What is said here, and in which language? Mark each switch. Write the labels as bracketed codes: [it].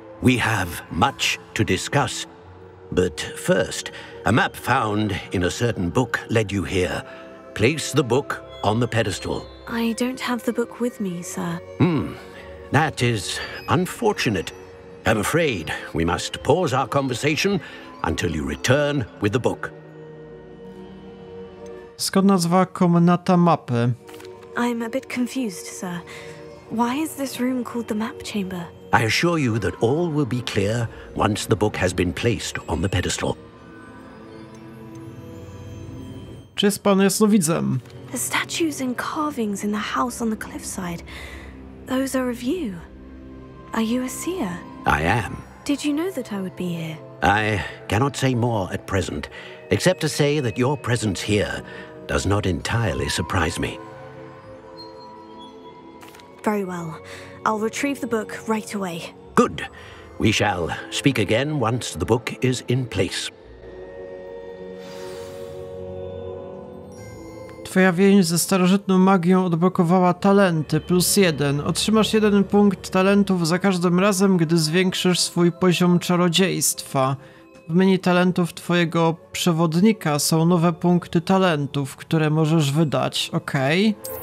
[en] We have much to discuss, but first, a map found in a certain book led you here. Place the book on the pedestal. I don't have the book with me, sir. That is unfortunate. I'm afraid we must pause our conversation until you return with the book. [pl] Skąd nazwa komnata mapy? [en] I'm a bit confused, sir. Why is this room called the map chamber? I assure you that all will be clear once the book has been placed on the pedestal. [pl] Czy jest pan jasnowidzem? [en] The statues and carvings in the house on the cliffside, those are of you. Are you a seer? I am. Did you know that I would be here? I cannot say more at present, except to say that your presence here does not entirely surprise me. Very well. I'll retrieve the book right away. Good. We shall speak again once the book is in place. [pl] Twoja więź ze starożytną magią odblokowała talenty plus jeden. Otrzymasz jeden punkt talentów za każdym razem, gdy zwiększysz swój poziom czarodziejstwa. W menu talentów twojego przewodnika są nowe punkty talentów, które możesz wydać. Okej.